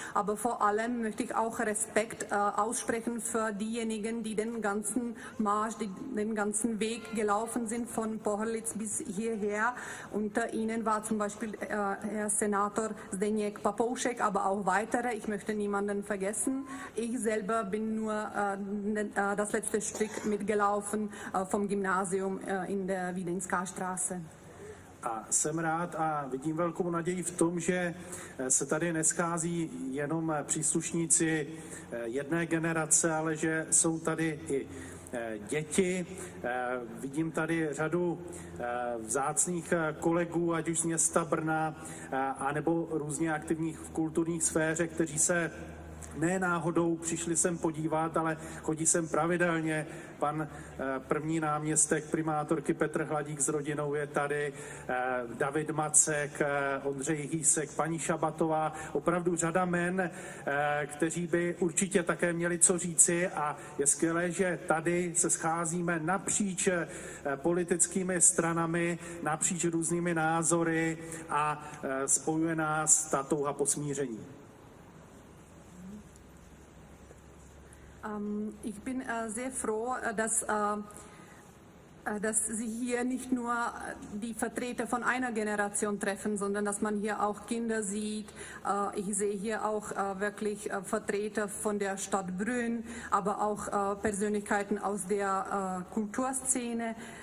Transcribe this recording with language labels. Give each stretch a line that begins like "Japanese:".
German: Aber vor allem möchte ich auch Respekt aussprechen für diejenigen, die den ganzen Marsch, den ganzen Weg gelaufen sind von Pohorlitz bis hierher. Unter ihnen war zum Beispiel Herr Senator Zdeněk Papoušek, aber auch weitere. Ich möchte niemanden vergessen. Ich selber bin nur das letzte Stück mitgelaufen vom Gymnasium in der Wiedenská Straße.
Czech: A jsem rád a vidím velkou naději v tom, že se tady neschází jenom příslušníci jedné generace, ale že jsou tady i děti. Vidím tady řadu vzácných kolegů, ať už z města Brna, anebo různě aktivních v kulturních sféře, kteří se ne náhodou přišli sem podívat, ale chodí sem pravidelně. Pan první náměstek primátorky Petr Hladík s rodinou je tady, David Macek, Ondřej Hýsek, paní Šabatová, opravdu řada jmen, kteří by určitě také měli co říci, a je skvělé, že tady se scházíme napříč politickými stranami, napříč různými názory, a spojuje nás ta touha po smíření.
German: Ich bin sehr froh, dass, dass Sie hier nicht nur die Vertreter von einer Generation treffen, sondern dass man hier auch Kinder sieht. Ich sehe hier auch wirklich Vertreter von der Stadt Brünn, aber auch Persönlichkeiten aus der Kulturszene.